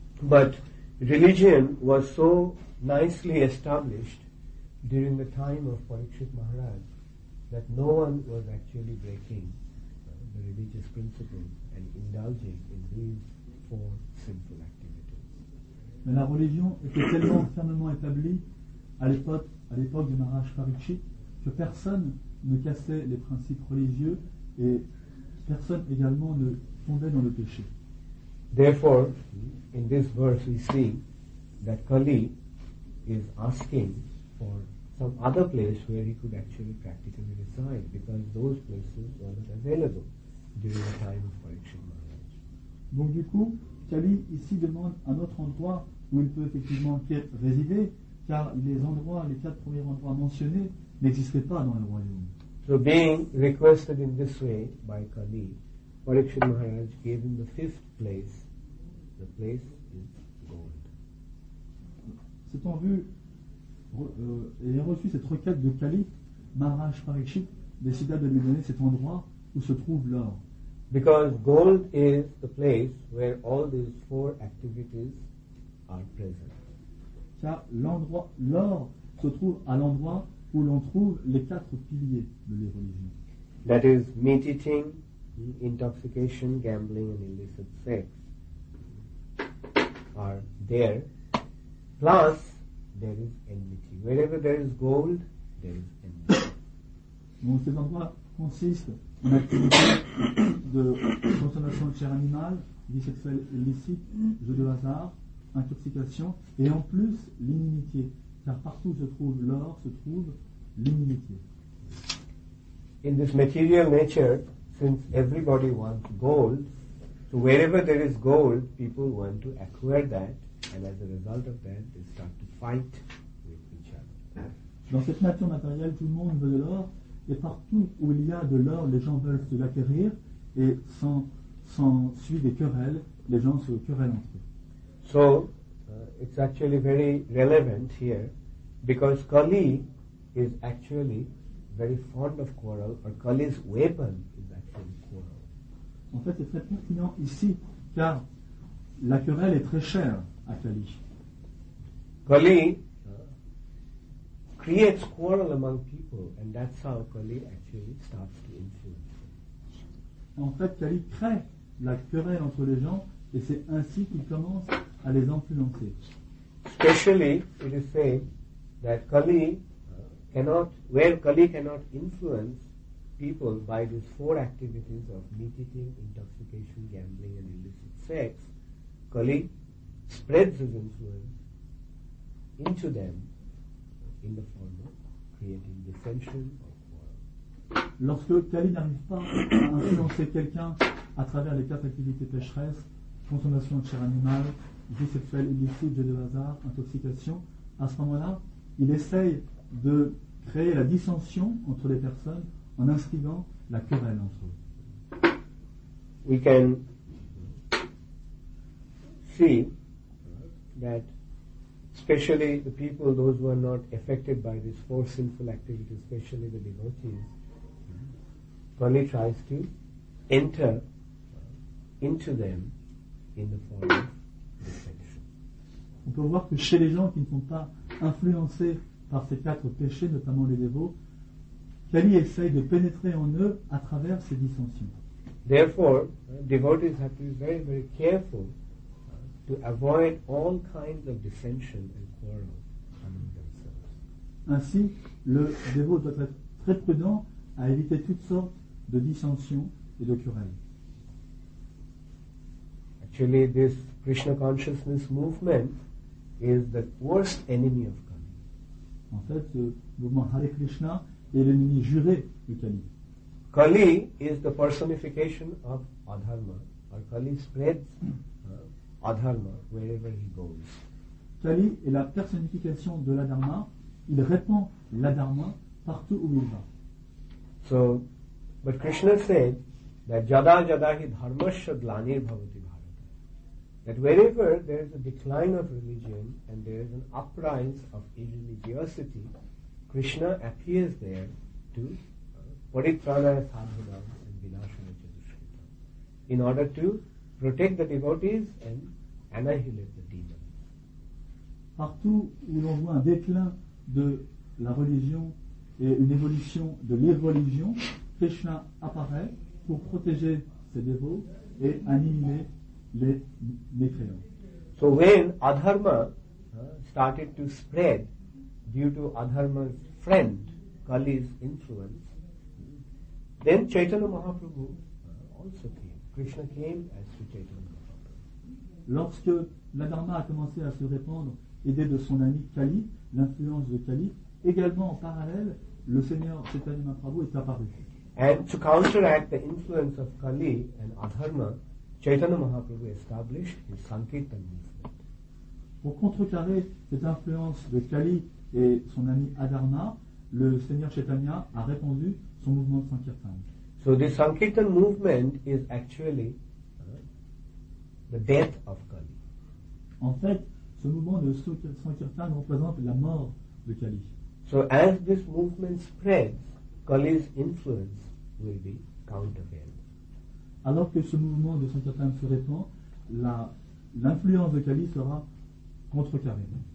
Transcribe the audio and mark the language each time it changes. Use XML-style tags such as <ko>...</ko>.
<en>But religion was so nicely established during the time of Parikshit Maharaj that no one was actually breaking the religious principle and indulging in these four sinful activities.</en> <fr>Mais la religion était tellement fermement établie à l'époque de Maharaj Parikshit, que personne ne cassait les principes religieux et personne également ne tombait dans le péché.</fr> <en>Therefore, in this verse we see that Kali is asking for some other place where he could actually practically reside, because those places were not available during the time of Parikshit Maharaj.</en> <fr>Donc du coup, Kali ici demande un autre endroit où il peut effectivement résider, car les endroits, les quatre premiers endroits mentionnés, n'existaient pas dans le royaume.</fr> <en>So being requested in this way by Kali, Parikshit Maharaj gave him the fifth place. The place is gold.</en> <fr>Ayant reçu cette requête de Kali, Maharaj Parikshit décida de lui donner cet endroit où se trouve l'or.</fr> <en>Because gold is the place where all these four activities are present.</en> <fr>Car l'endroit, l'or se trouve à l'endroit où l'on trouve les quatre piliers de les religions.</fr> <en>That is meat eating, intoxication, gambling and illicit sex are there. Plus, there is enmity. Wherever there is gold, there is enmity.</en> <fr>Donc ces endroits consistent en activité de consommation de chair animale, vie sexuelle illicite, jeu de hasard, intoxication, et en plus l'inimitié, car partout où se trouve l'or se trouve l'inimitié.</fr> <en>In this material nature, since everybody wants gold, so wherever there is gold, people want to acquire that, and as a result of that, they start to fight with each other.</en> <fr>Dans cette nature matérielle, tout le monde veut de l'or, et partout où il y a de l'or, les gens veulent se l'acquérir, et sans suivre des querelles, les gens se querellent entre eux.</fr> <en>So, it's actually very relevant here, because Kali is actually very fond of quarrel, or Kali's weapon is actually quarrel.</en> <fr>En fait, c'est très pertinent ici, car la querelle est très chère à Kali.</fr> <en>Kali creates quarrel among people, and that's how Kali actually starts to influence.</en> <fr>En fait, Kali crée la querelle entre les gens, et c'est ainsi qu'il commence à les influencer.</fr> <en>Especially, it is said that Kali cannot, where Kali cannot influence, people by these four activities of meat eating, intoxication, gambling, and illicit sex, Kali spreads his influence into them in the form of creating dissension or quarrel.</en> <fr>Lorsque Kali n'arrive pas à influencer quelqu'un à travers les quatre activités pécheresse, consommation de chair animale, vie sexuelle illicite, jeu de hasard, intoxication, à ce moment-là, il essaye de créer la dissension entre les personnes en inscrivant la querelle entre eux.</fr> <en>We can see that especially the people, those who are not affected by these four sinful activities, especially the devotees, Kali tries to enter into them in the form of dissension.</en> <fr>On peut voir que chez les gens qui ne sont pas influencés par ces quatre péchés, notamment les dévots, Kali essaye de pénétrer en eux à travers ces dissensions.</fr> <en>Therefore, devotees have to be very, very careful to avoid all kinds of dissension and quarrel among themselves.</en> <fr>Ainsi, le dévot doit être très prudent à éviter toutes sortes de dissensions et de querelles.</fr> <en>Actually, this Krishna consciousness movement is the worst enemy of Kali.</en> <fr>En fait, le mouvement Hare Krishna est l'ennemi juré de Kali.</fr> <en>Kali is the personification of adharma, or Kali spreads adharma wherever he goes.</en> <fr>Kali est la personnification de l'adharma. Il répand l'adharma partout où il va.</fr> <en>So, but Krishna said that</en> <sa>jada jada hi dharmasya glanir bhavati bharata.</sa> <en>That wherever there is a decline of religion and there is an uprise of irreligiosity, Krishna appears there to</en> <sa>paritranaya sadhanam</sa> <en>and</en> <sa>vinashanaya chatushkita</sa> <en>in order to protect the devotees and annihilate the demons.</en> <fr>Partout où l'on voit un déclin de la religion et une évolution de l'irreligion, Krishna apparaît pour protéger ses dévots et annihiler les mécréants.</fr> <en>So when adharma started to spread due to adharma's friend, Kali's influence, then Chaitanya Mahaprabhu also came. Krishna came as to Chaitanya Mahaprabhu.</en> <fr>Lorsque l'adharma a commencé à se répandre, aidé de son ami Kali, l'influence de Kali, également en parallèle, le Seigneur Chaitanya Mahaprabhu est apparu.</fr> <en>And to counteract the influence of Kali and adharma, Chaitanya Mahaprabhu established his Sankirtan movement.</en> <fr>Pour contrecarrer cette influence de Kali et son ami Adharma, le Seigneur Chaitanya a répandu son mouvement de Sankirtan.</fr> <en>So this Sankirtan movement is actually the death of Kali.</en> <fr>En fait, ce mouvement de Sankirtan représente la mort de Kali.</fr> <en>So as this movement spreads, Kali's influence will be countervailed.</en> <fr>Alors que ce mouvement de Sankirtan se répand, l'influence de Kali sera contrecarrée.</fr>